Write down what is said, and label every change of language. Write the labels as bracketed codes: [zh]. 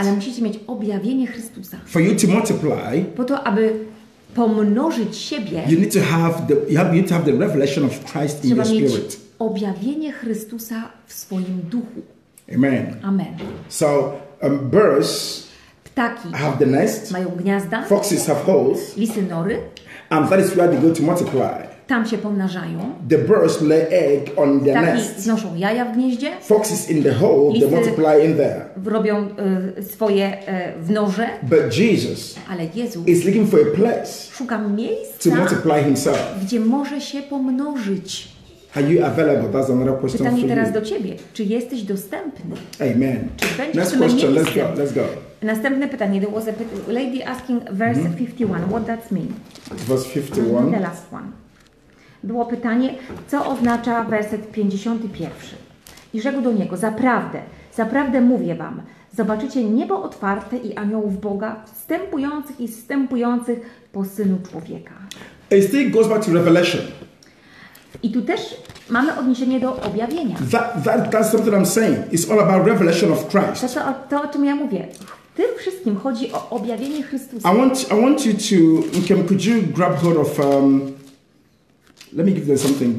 [pl] Ale musicie mieć objawienie Chrystusa. [en] For you to multiply. [pl] Po to, aby pomnożyć siebie. [en] You need to have the revelation of Christ in your spirit. [pl] Trzeba mieć objawienie Chrystusa w swoim duchu. Amen. Amen. [en] So birds. [pl] Ptaki. [en] Have the nest. [pl] Mają gniazda. [en] Foxes have holes. [pl] Lisy nory. [en] And that is where they go to multiply. [pl] Tam się pomnażają. [en] The birds lay egg on their nest. [pl] Ptaki znoszą jaja w gnieździe. [en] Foxes in the hole, [pl] lisy [en] they multiply in there. [pl] Robią swoje w norze. [en] But Jesus. [pl] Ale Jezus. [en] Is looking for a place. [pl] Szuka miejsca. [en] To multiply himself. [pl] Gdzie może się pomnożyć. [en] Are you available? That's another question. [pl] Pytanie teraz [en] you. [pl] Do ciebie. Czy jesteś dostępny? Amen. Czy będziesz [en] next question. Let's go. [pl] Następne pytanie. [en] There was a lady asking verse 51. What that mean? Verse 51. The last one. [pl] Było pytanie, co oznacza werset 51. I rzekł do niego, zaprawdę mówię wam, zobaczycie niebo otwarte i aniołów Boga wstępujących i zstępujących po Synu Człowieka. [en] It still goes back to revelation. [pl] I tu też mamy odniesienie do objawienia. [en] That's something I'm saying. It's all about revelation of Christ. [pl] To o czym ja mówię. Tym wszystkim chodzi o objawienie Chrystusa. [en] I want you to, could you grab hold of... let me give you something.